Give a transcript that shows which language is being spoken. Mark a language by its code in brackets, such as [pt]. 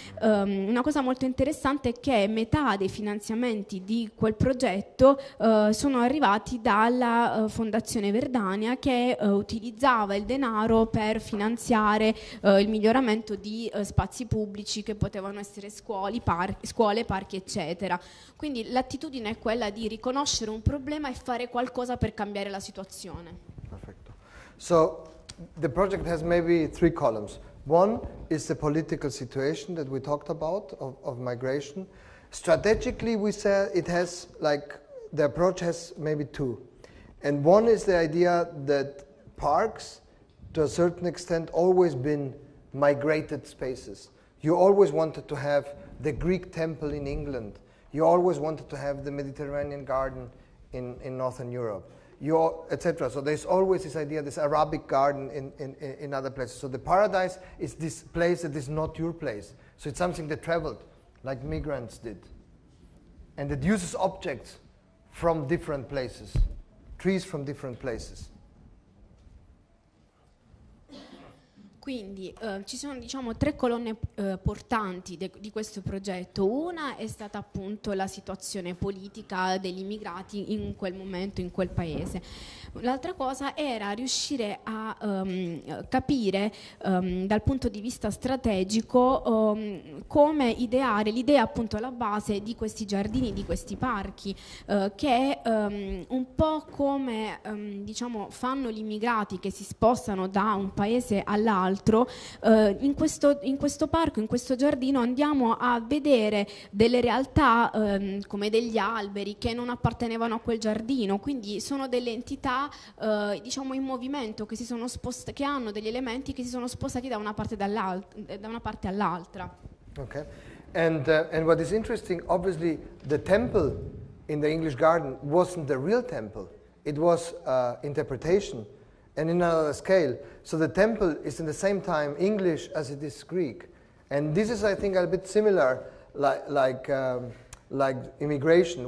[it] Una cosa molto interessante è che metà dei finanziamenti di quel progetto sono arrivati dalla Fondazione Verdania, che utilizzava il denaro per finanziare il miglioramento di spazi pubblici, che potevano essere scuole, parchi, eccetera. Quindi l'attitudine è quella di riconoscere un problema e fare qualcosa per cambiare la situazione. Perfetto. [en] So the project has maybe three columns. One is the political situation that we talked about of migration. Strategically we said it has, like, the approach has maybe two. And one is the idea that parks, to a certain extent, always been migrated spaces. You always wanted to have the Greek temple in England. You always wanted to have the Mediterranean garden in Northern Europe, etc. So there's always this idea, this Arabic garden in other places. So the paradise is this place that is not your place. So it's something that traveled, like migrants did, and that uses objects from different places, trees from different places. [it] Quindi ci sono, diciamo, tre colonne portanti di questo progetto. Una è stata appunto la situazione politica degli immigrati in quel momento, in quel paese. L'altra cosa era riuscire a capire dal punto di vista strategico come ideare l'idea appunto alla base di questi giardini, di questi parchi, che un po' come diciamo fanno gli immigrati che si spostano da un paese all'altro. In questo parco, in questo giardino, andiamo a vedere delle realtà come degli alberi che non appartenevano a quel giardino, quindi sono delle entità diciamo in movimento, che si sono spostate, che hanno degli elementi che si sono spostati da una parte all'altra. [en] Okay. And what is interesting, obviously the temple in the English garden wasn't the real temple, it was interpretation. And in another scale, so the temple is in the same time English as it is Greek. And this is, I think, a bit similar like immigration.